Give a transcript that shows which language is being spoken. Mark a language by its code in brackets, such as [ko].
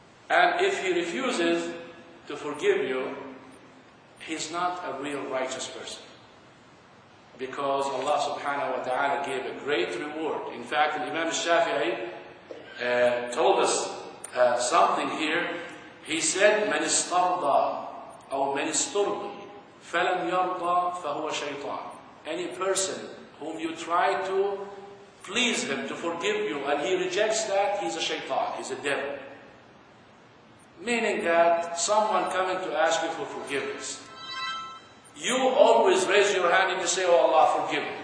[en] And if he refuses to forgive you, he's not a real righteous person. Because Allah subhanahu wa ta'ala gave a great reward. In fact, Imam Shafi'i told us something here. He said, [ar] من استرضى أو من استرضي فلم يرضى فهو شيطان. [en] Any person whom you try to please him, to forgive you, and he rejects that, he's a shaitan, he's a devil. Meaning that someone coming to ask you for forgiveness, you always raise your hand and you say, oh Allah, forgive me.